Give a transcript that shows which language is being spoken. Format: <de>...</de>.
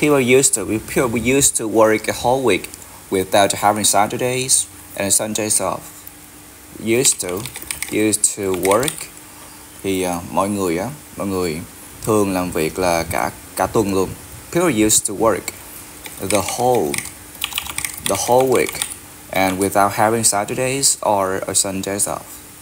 <en>People used to work a whole week without having Saturdays and Sundays off. Used to work.</en> <vi>Thì mọi người thường làm việc là cả tuần luôn.</vi> <en>People used to work the whole week and without having Saturdays or Sundays off.</en>